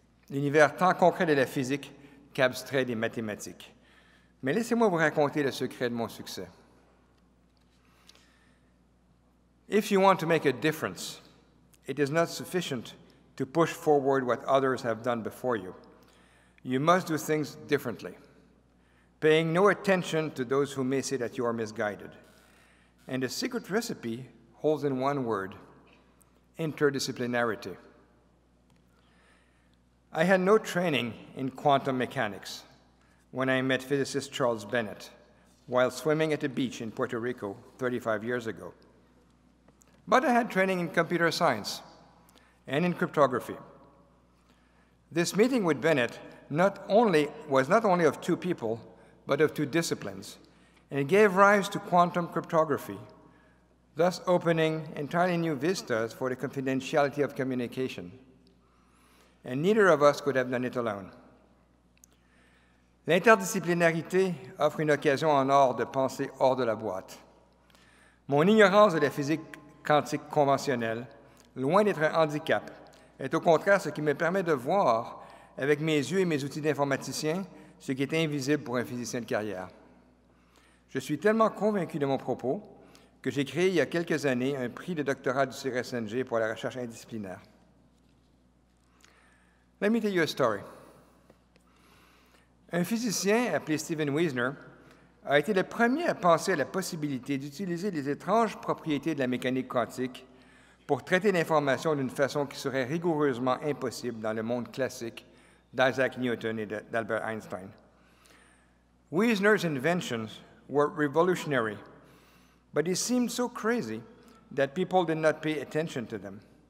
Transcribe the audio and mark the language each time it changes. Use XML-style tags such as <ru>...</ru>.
<fr>L'univers tant concret de la physique qu'abstrait des mathématiques. Mais laissez-moi vous raconter le secret de mon succès.</fr> <en>If you want to make a difference, it is not sufficient to push forward what others have done before you. You must do things differently, paying no attention to those who may say that you are misguided. And the secret recipe holds in one word, interdisciplinarity. I had no training in quantum mechanics when I met physicist Charles Bennett while swimming at a beach in Puerto Rico 35 years ago. But I had training in computer science and in cryptography. This meeting with Bennett was not only of two people, but of two disciplines, and it gave rise to quantum cryptography, thus opening entirely new vistas for the confidentiality of communication. And neither of us could have done it alone.</en> <fr>L'interdisciplinarité offre une occasion en or de penser hors de la boîte. Mon ignorance de la physique quantique conventionnelle, loin d'être un handicap, est au contraire ce qui me permet de voir, avec mes yeux et mes outils d'informaticien, ce qui est invisible pour un physicien de carrière. Je suis tellement convaincu de mon propos que j'ai créé il y a quelques années un prix de doctorat du CRSNG pour la recherche indisciplinaire.</fr> <en>Let me tell you a story.</en> <fr>Un physicien appelé Steven Wiesner a été le premier à penser à la possibilité d'utiliser les étranges propriétés de la mécanique quantique pour traiter l'information d'une façon qui serait rigoureusement impossible dans le monde classique d'Isaac Newton et d'Albert Einstein.</fr> <en>Wiesner's inventions were revolutionary, but they seemed so crazy that people did not pay attention to them.</en>